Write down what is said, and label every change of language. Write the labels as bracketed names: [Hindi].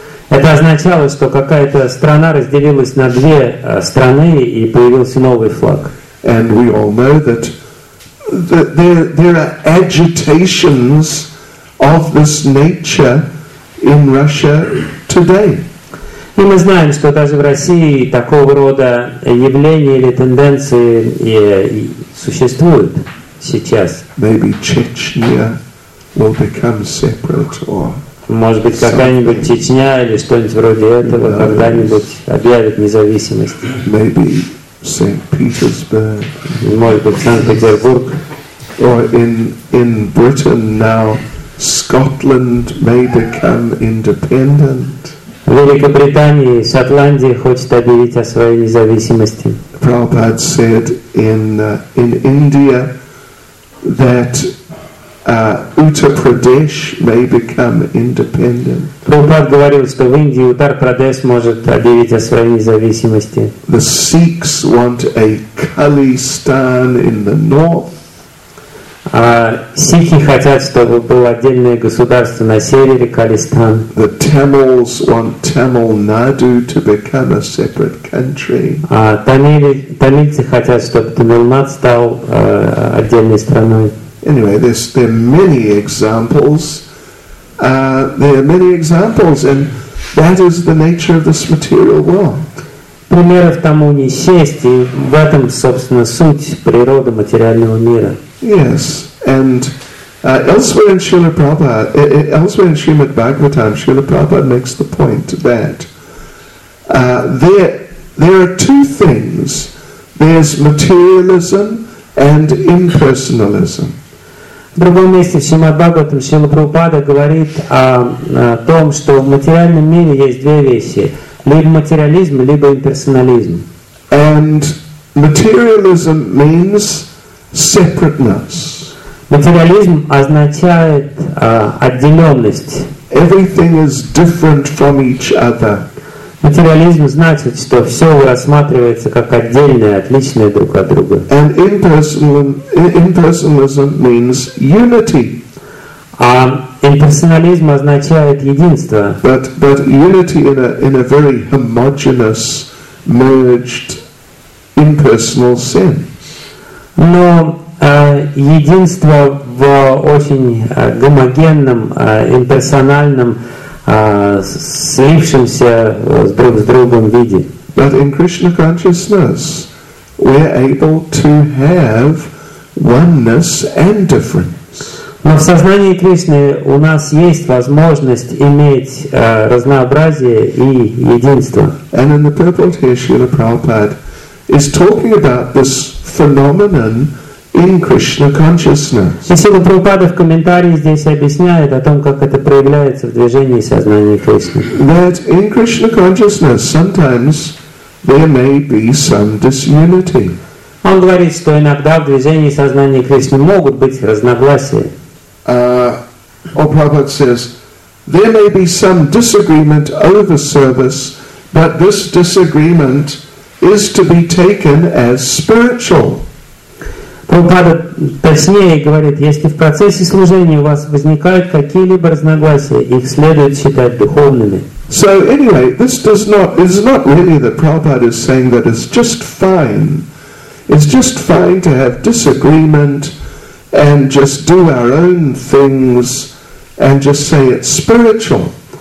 [Russian] Это означало, что какая-то страна разделилась на две страны, и появился новый флаг. [English] And we all know that there are agitations of this nature in Russia today. [Russian] И мы знаем, что даже в России такого рода явления или тенденции существуют сейчас. [English] Maybe Chechnya will become separate or something. [Russian] Может быть, какая-нибудь Чечня или что-нибудь вроде этого когда-нибудь объявит независимость. [English] Maybe Saint Petersburg. [Russian] Может быть, Санкт-Петербург. [English] Or in Britain now, Scotland may become independent. [Russian] В Великобритании и Шотландии хочет объявить о своей независимости. [English] Prabhupada said in India that Uttar Pradesh may become independent. [Russian] Prabhupada говорил, что в Индии Uttar Pradesh может объявить о своей независимости. [English] The Sikhs want a Khalistan in the north. [Russian] Сикхи хотят, чтобы было отдельное государство на севере, Калистан. [English] The Tamils want Tamil Nadu to become a separate country. [Russian] Тамильцы хотят, чтобы Тамилнад стал отдельной страной. [English] Anyway, there are many examples. There are many examples, and that is the nature of this material world. [Russian] Примеров тому не счесть, и в этом, собственно, суть природы материального мира. [English] Yes, and elsewhere in Srimad Bhagavatam, Srila Prabhupada makes the point that there are two things. There's materialism and impersonalism. [Russian] В другом месте Шримад Бхагаватам Шрила Прабхупада говорит о том, что в материальном мире есть две вещи. Либо материализм, либо имперсонализм. [English] And materialism means separateness. [Russian] Материализм означает отделенность. [English] Everything is different from each other. [Russian] Материализм значит, что все рассматривается как отдельное, отличное друг от друга. [English] And impersonalism means unity. [Russian] А имперсонализм означает единство. [English] But unity in a very homogeneous, merged, impersonal sense. [Russian] Но единство в очень гомогенном, имперсональном, слившемся друг с другом виде. [English] But in Krishna consciousness, we're able to have oneness and difference. [Russian] Но в сознании Кришны у нас есть возможность иметь разнообразие и единство. [English] And in the purport here, Srila Prabhupada is talking about this phenomenon in Krishna consciousness. [Russian] И Сила Прабхупада в комментарии здесь объясняет о том, как это проявляется в движении сознания Кришны. [English] That in Krishna consciousness sometimes there may be some disunity. [Russian] Он говорит, что иногда в движении сознания Кришны могут быть разногласия. [English] Or Prabhupada says, there may be some disagreement over service, but this disagreement is to be taken as spiritual. [Russian] Прабхупада точнее говорит, если в процессе служения у вас возникают какие-либо разногласия, их следует считать духовными. [English] So anyway, this does not, it's not really that Prabhupada is saying that it's just fine. It's just fine to have disagreement and just do our own things and just say it's spiritual.